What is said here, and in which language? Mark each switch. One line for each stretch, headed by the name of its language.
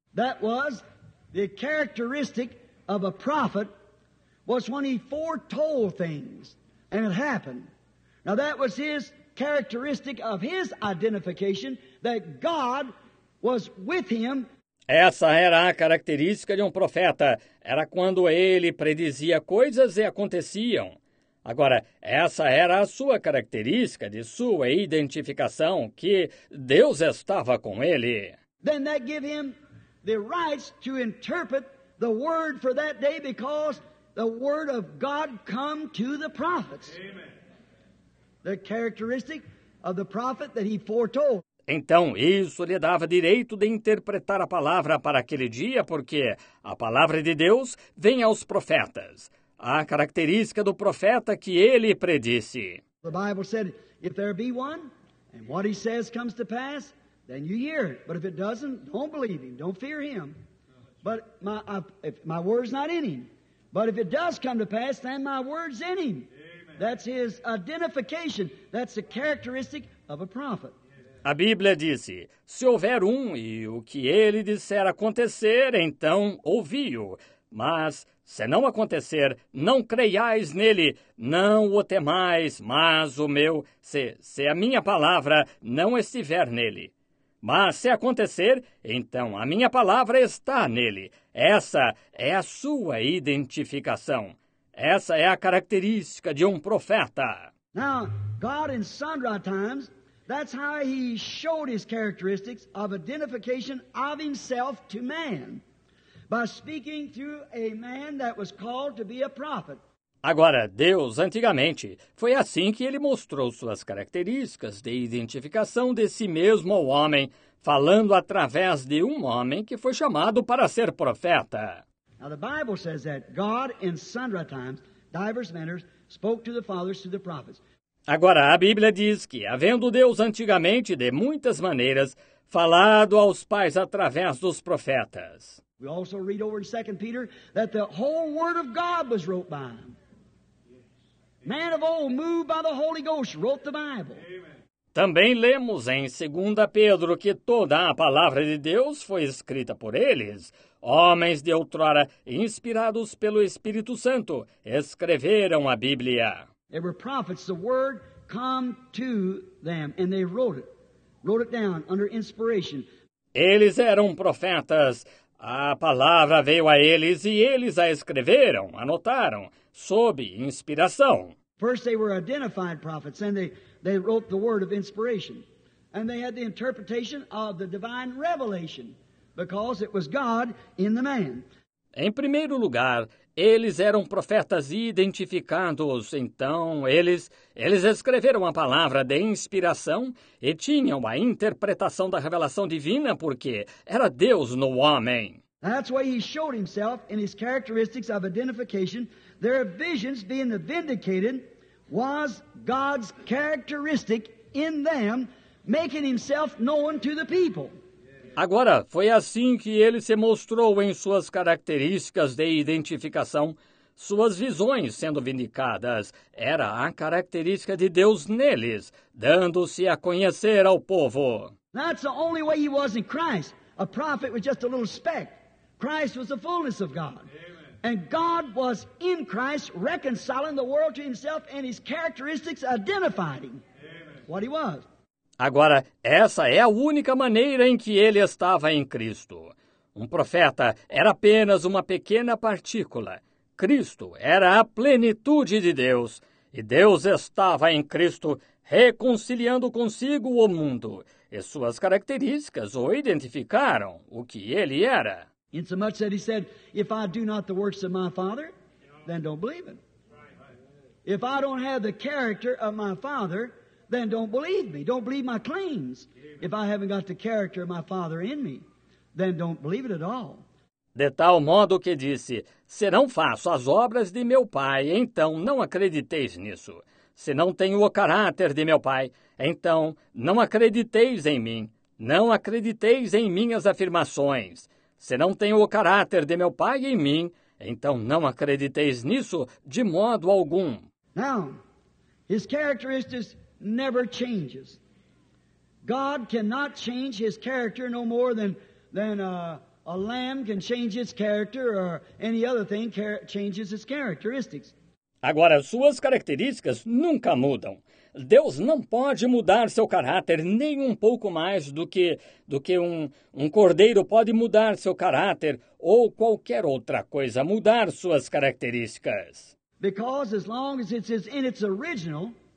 English: That was the characteristic of a prophet, was when he foretold things, and it happened. Now that was his characteristic of his identification, that God was with him.
Portuguese: Essa era a característica de um profeta. Era quando ele predizia coisas e aconteciam. Agora, essa era a sua característica de sua identificação, que Deus estava com ele.
English: Then that gave him the rights to interpret the word for that day, because the word of God come to the prophets. Amen. The characteristic of the prophet that he foretold.
Portuguese: Então, isso lhe dava direito de interpretar a palavra para aquele dia, porque a palavra de Deus vem aos profetas. A característica do profeta que ele predisse.
English: The Bible said, if there be one, and what he says comes to pass, then you hear it. But if it doesn't, don't believe him, don't fear him. But my word's not in him. But if it does come to pass, then my word's in him. Amen. That's his identification. That's the characteristic of a prophet.
Portuguese: A Bíblia disse, se houver um e o que ele disser acontecer, então ouvi-o. Mas, se não acontecer, não creiais nele, não o temais, mas o meu, se a minha palavra não estiver nele. Mas, se acontecer, então a minha palavra está nele. Essa é a sua identificação. Essa é a característica de um profeta.
English: Now, God in sundry times, that's how he showed his characteristics of identification of himself to man, by speaking through a man that was called to be a prophet.
Portuguese: Agora, Deus, antigamente, foi assim que ele mostrou suas características de identificação de si mesmo ao homem, falando através de um homem que foi chamado para ser profeta.
English: Now, the Bible says that God, in sundry times, divers manners, spoke to the fathers through the prophets.
Portuguese: Agora, a Bíblia diz que, havendo Deus antigamente, de muitas maneiras, falado aos pais através dos profetas.
English: We also read over in 2 Peter that the whole word of God was wrote by him. Man of old, moved by the Holy Ghost, wrote the Bible. Amen.
Portuguese: Também lemos em 2 Pedro que toda a palavra de Deus foi escrita por eles. Homens de outrora, inspirados pelo Espírito Santo, escreveram a Bíblia.
English: They were prophets. The word come to them, and they wrote it. Wrote it down under inspiration.
Portuguese: Eles eram profetas. A palavra veio a eles e eles a escreveram, anotaram, sob inspiração.
English: First they were identified prophets, and they wrote the word of inspiration. And they had the interpretation of the divine revelation, because it was God in the man.
Portuguese: Em primeiro lugar, eles eram profetas identificados, então eles escreveram a palavra de inspiração e tinham a interpretação da revelação divina, porque era Deus no homem.
English: That's why he showed himself in his characteristics of identification. Their visions being vindicated was God's characteristic in them, making himself known to the people.
Portuguese: Agora, foi assim que ele se mostrou em suas características de identificação. Suas visões sendo vindicadas era a característica de Deus neles, dando-se a conhecer ao povo.
English: That's the only way he was in Christ. A prophet was just a little speck. Christ was the fullness of God. Amen. And God was in Christ reconciling the world to himself, and his characteristics identified him. Amen. What he was.
Portuguese: Agora, essa é a única maneira em que ele estava em Cristo. Um profeta era apenas uma pequena partícula. Cristo era a plenitude de Deus, e Deus estava em Cristo reconciliando consigo o mundo, e suas características o identificaram o que ele era.
English: Insomuch that he said, if I do not the works of my Father, then don't believe him. If I don't have the character of my Father, then don't believe me. Don't believe my claims. If I haven't got the character of my Father in me, then don't believe it at all.
Portuguese: De tal modo que disse, se não faço as obras de meu Pai, então não acrediteis nisso. Se não tenho o caráter de meu Pai, então não acrediteis em mim. Não acrediteis em minhas afirmações. Se não tenho o caráter de meu Pai em mim, então não acrediteis nisso de modo algum.
English: Now, his characteristics never changes. God cannot change his character no more than a lamb can change its character or any other thing changes its characteristics.
Portuguese: Agora, suas características nunca mudam. Deus não pode mudar seu caráter nem um pouco mais do que um cordeiro pode mudar seu caráter ou qualquer outra coisa mudar suas características.
English: Because as long as it's in its original.